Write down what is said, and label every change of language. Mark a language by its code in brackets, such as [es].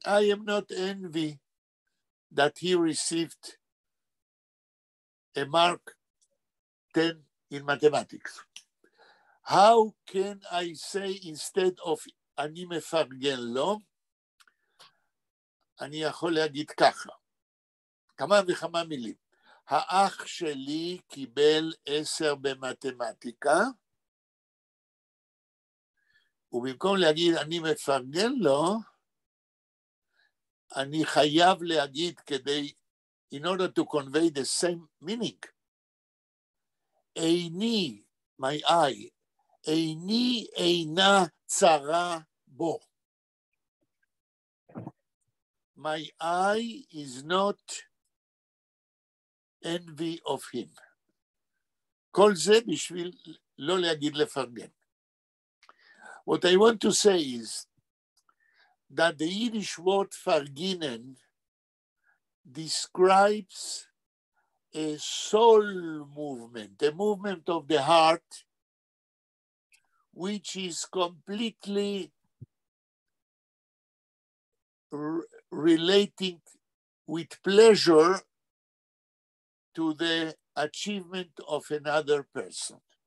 [en] I am not envy that he received a mark 10 in mathematics. [he] How can I say instead of אני מפרגן לו, אני יכול להגיד ככה. כמה וכמה מילים. האח שלי קיבל 10 במתמטיקה, ובמקום להגיד אני מפרגן לו, אני חייב להגיד כדי, [en] in order to convey the same meaning, [he] איני, [en] my eye, [he] איני אינה צרה בו. [en] My eye is not envy of him. [he] כל זה בשביל לא להגיד לפרגן. [en] What I want to say is that the Yiddish word "farginen" describes a soul movement, a movement of the heart, which is completely relating with pleasure to the achievement of another person.